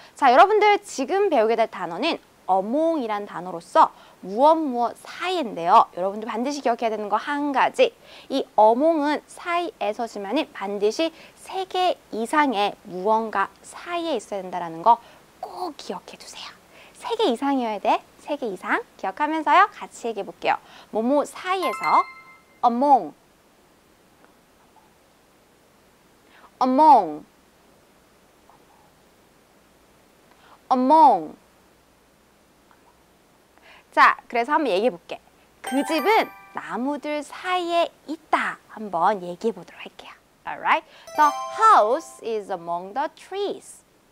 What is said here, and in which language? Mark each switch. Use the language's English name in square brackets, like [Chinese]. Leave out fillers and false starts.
[Korean] 자, 여러분들 지금 배우게 될 단어는 어몽이란 단어로서 무엇무엇 사이인데요. 여러분들 반드시 기억해야 되는 거 한 가지. 이 어몽은 사이에서지만 반드시 세 개 이상의 무언가 사이에 있어야 된다는 거 꼭 기억해 두세요. 세 개 이상이어야 돼. 세 개 이상 기억하면서요. 같이 얘기해 볼게요. 뭐뭐 사이에서 among among among. 자, 그래서 한번 얘기해 볼게. 그 집은 나무들 사이에 있다. 한번 얘기해 보도록 할게요. [English] Alright. The house is among the trees.